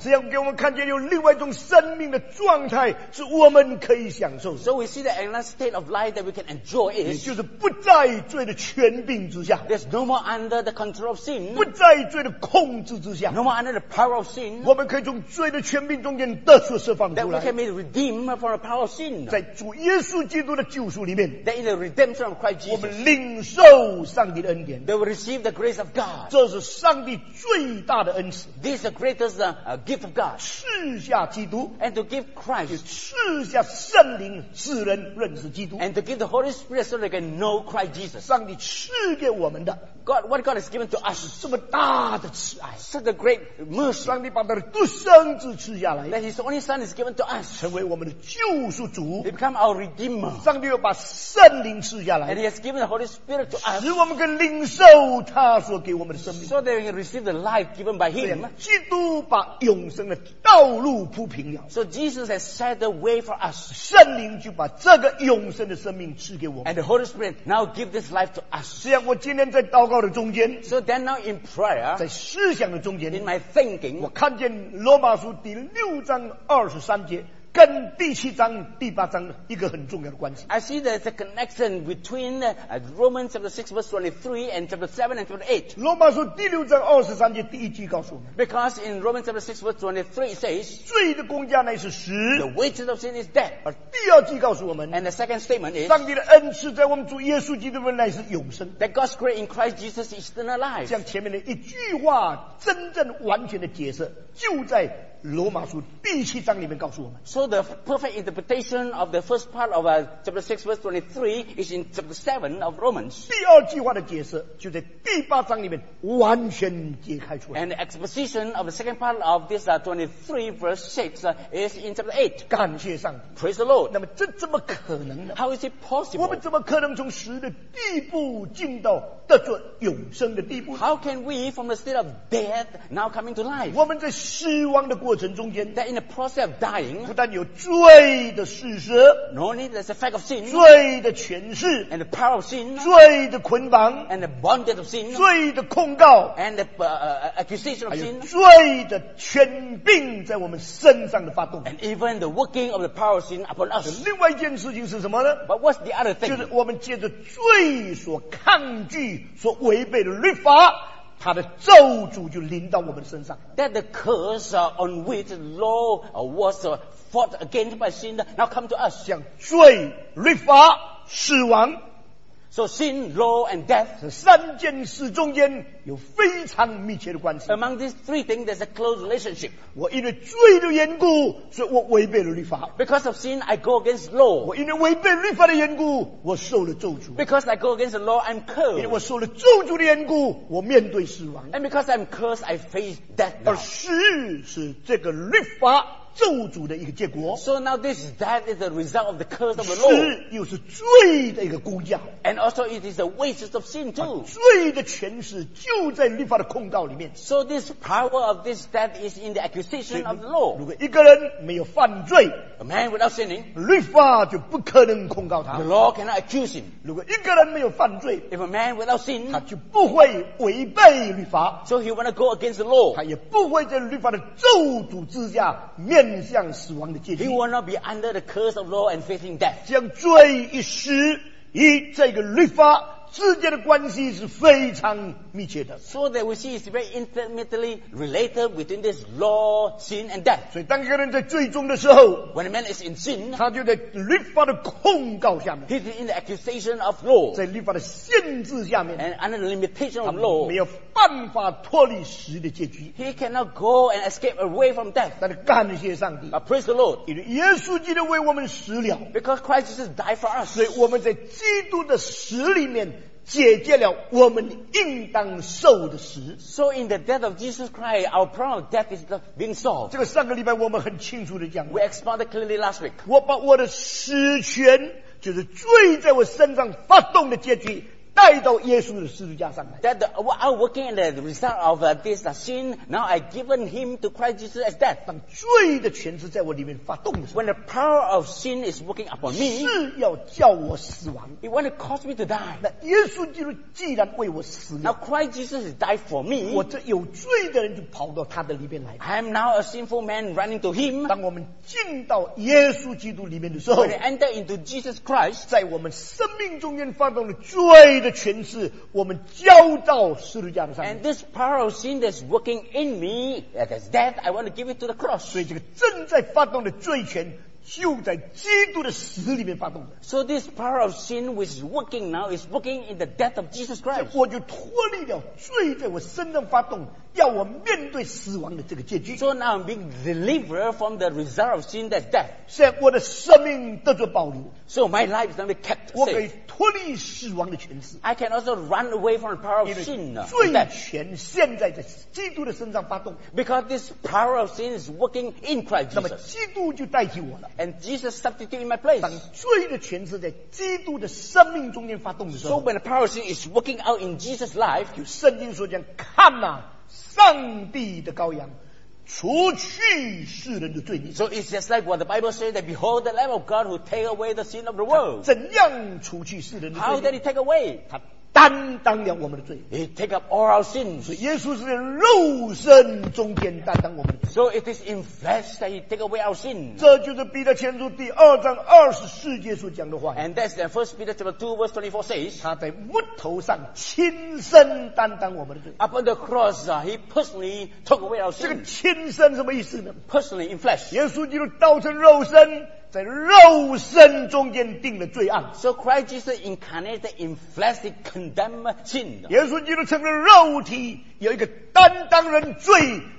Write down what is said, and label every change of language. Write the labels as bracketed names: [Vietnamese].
[Chinese] 这样给我们看见有另外一种生命的状态是我们可以享受的。 [English] So we see that another state of life that we can enjoy is [Chinese] 就是不在罪的权柄之下。 [English] There's no more under the control of sin. [Chinese] 不在罪的控制之下。 [English] No more under the power of sin. [Chinese] 我们可以从罪的权柄中间得出释放出来。 [English] That we can be redeemed from the power of sin. [Chinese] 在主耶稣基督的救赎里面。 [English] That in the redemption of Christ Jesus. [Chinese] 我们领受上帝的恩典。 [English] Receive the grace of God. [Chinese] 这是上帝最大的恩赐。 [English] This is the greatest gift of God. [Chinese] 赐下基督。 [English] And to give Christ. [Chinese] 赐下圣灵使人认识基督。 [English] And to give the Holy Spirit so they can know Christ Jesus. [Chinese] 上帝赐给我们的。 [English] God, what God has given to us. [Chinese] 这么大的慈爱。 [English] Such a great mercy. [Chinese] 上帝把他的独生子赐下来。 [English] That his only son is given to us. [Chinese] 成为我们的救赎主。 [English] He become our redeemer. [Chinese] 上帝又把圣灵赐下来。 [English] And he has given the Holy Spirit to us. [Chinese] 使我们可领受。他所给我们的生命 [English] so they can receive the life given by him [Chinese] 基督把永生的道路铺平了 [English] so Jesus has set the way for us [Chinese] 圣灵就把这个永生的生命赐给我们 [English] and the Holy Spirit now give this life to us [Chinese] 这样我今天在祷告的中间 [English] so then now in prayer [Chinese] 在思想的中间 [English] in my thinking [Chinese] 我看见罗马书第六章二十三节跟第七章、第八章一个很重要的关系。 [English] I see there's a connection between Romans chapter 6 verse 23 and chapter 7 and chapter 8. [Chinese] 罗马书第六章二十三节第一句告诉我们。 [English] Because in Romans chapter 6 verse 23 it says, [Chinese] 罪的工价乃是死。 [English] The wages of sin is death. [Chinese] 而第二句告诉我们。 [English] And the second statement is, [Chinese] 上帝的恩赐在我们主耶稣基督里面乃是永生。 [English] That God's grace in Christ Jesus is eternal life. [Chinese] 像前面的一句话真正完全的解释就在罗马书第七章里面告诉我们。 [English] So the perfect interpretation of the first part of chapter 6 verse 23 is in chapter 7 of Romans. [Chinese] 第二句话的解释就在第八章里面完全解开出来。 [English] And the exposition of the second part of this 23 verse 6 is in chapter 8. [Chinese] 感谢上帝。 [English] Praise the Lord. [Chinese] 那么这怎么可能呢？ [English] How is it possible? [Chinese] 我们怎么可能从死的地步进到得着永生的地步？ [English] How can we from the state of death now coming to life? [Chinese] 我们在死亡的过程中间， [English] that in the process of dying, [Chinese] 不但有罪的事实， [English] not only there's a fact of sin, [Chinese] 罪的权势， [English] and the power of sin, [Chinese] 罪的捆绑， [English] and the bondage of sin, [Chinese] 罪的控告， [English] and the accusation of sin, [Chinese] 还有罪的权柄在我们身上的发动， [English] and even the working of the power of sin upon us. [Chinese] 另外一件事情是什么呢？ [English] But what's the other thing? [Chinese] 就是我们借着罪所抗拒、所违背的律法，他的咒诅就临到我们身上。 [English] That the curse on which the law was fought against by sin now come to us. [Chinese] 像罪、律法、死亡。 [English] So sin, law and death. [Chinese] 这三件事中间有非常密切的关系。 [English] Among these three things, there's a close relationship. [Chinese] 我因为罪的缘故，所以我违背了律法。 [English] Because of sin, I go against law. [Chinese] 我因为违背律法的缘故，我受了咒诅。 [English] Because I go against the law, I'm cursed. [Chinese] 因为我受了咒诅的缘故，我面对死亡。 [English] And because I'm cursed, I face death. [Chinese] 而死是这个律法咒诅的一个结果。 [English] So now this death is the result of the curse of the law. [Chinese] 死又是罪的一个工价。 [English] And also it is the wages of sin too. [Chinese] 罪的权势就在律法的控告里面。 [English] So this power of this death is in the accusation of the law. [Chinese] 如果一个人没有犯罪， [English] a man without sinning, [Chinese] 律法就不可能控告他。 [English] The law cannot accuse him. [Chinese] 如果一个人没有犯罪， [English] if a man without sin, [Chinese] 他就不会违背律法。 [English] So he wanna go against the law. [Chinese] 他也不会在律法的咒诅之下面向死亡的界定。 [English] He will not be under the curse of law and facing death. [Chinese] 将罪一时与这个律法之间的关系是非常密切的。 [English] So that we see is very intimately related between this law, sin and death. [Chinese] 所以当一个人在罪中的时候， [English] when a man is in sin, [Chinese] 他就在律法的控告下面。 [English] He is in the accusation of law. [Chinese] 在律法的限制下面。 [English] And under the limitation of law. [Chinese] 没有办法脱离死的结局。 [English] He cannot go and escape away from death. [Chinese] 但是感谢上帝。 [English] But praise the Lord. [Chinese] 因为耶稣基督为我们死了。 [English] Because Christ Jesus died for us. [Chinese] 所以我们在基督的死里面解决了我们应当受的死。 [English] So in the death of Jesus Christ, our problem of death is being solved. [Chinese] 这个上个礼拜我们很清楚的讲过。 [English] We expounded clearly last week. [Chinese] 我把我的死权，就是罪在我身上发动的结局，带到耶稣的十字架上来。 [English] That our working and the result of this sin, now I given him to Christ Jesus as death. [Chinese] 当罪的权势在我里面发动的时候， [English] when the power of sin is working upon me, [Chinese] 是要叫我死亡。 [English] It want to cause me to die. [Chinese] 那耶稣基督既然为我死了， [English] now Christ Jesus has died for me, [Chinese] 我这有罪的人就跑到他的里面来。 [English] I am now a sinful man running to him. [Chinese] 当我们进到耶稣基督里面的时候， [English] when we enter into Jesus Christ, [Chinese] 在我们生命中间发动了罪的权势，我们交到十字架的上面。 [English] And this power of sin that's working in me, that's death, I want to give it to the cross. [Chinese] 所以这个正在发动的罪权就在基督的死里面发动的。 [English] So this power of sin which is working now is working in the death of Jesus Christ. [Chinese] 我就脱离了罪在我身上发动，要我面对死亡的这个结局。 [English] So now I'm being delivered from the result of sin that's death. [Chinese] 现在我的生命得着保留。 [English] So my life is now being kept safe. [Chinese] 我可以脱离死亡的权势。 [English] I can also run away from the power of sin. [Chinese] 罪权现在在基督的身上发动。 [English] Because this power of sin is working in Christ Jesus. [Chinese] 那么基督就代替我了。 [English] And Jesus substitute in my place. [Chinese] 当罪的权势在基督的生命中间发动的时候， [English] So when the power of sin is working out in Jesus' life, [Chinese] 就圣经说这样，看啊，上帝的羔羊，除去世人的罪孽。 [English] So it's just like what the Bible says, that behold the Lamb of God who take away the sin of the world. [Chinese] 怎样除去世人的罪孽？ [English] How did he take away? [Chinese] 他担当了我们的罪。 [English] He take up all our sins. [Chinese] 所以耶稣是在肉身中间担当我们的罪。 [English] So it is in flesh that he take away our sins. [Chinese] 这就是彼得前书第二章二十四节所讲的话。 [English] And that's the first Peter chapter 2 verse 24 says, [Chinese] 他在木头上亲身担当我们的罪。 [English] Upon the cross, he personally took away our sins. [Chinese] 这个亲身什么意思呢？ [English] Personally in flesh. [Chinese] 耶稣基督道成肉身，在肉身中间定了罪案。 [English] So Christ Jesus incarnated in flesh to condemn sin. [Chinese] 耶稣基督成了肉体，有一个担当人罪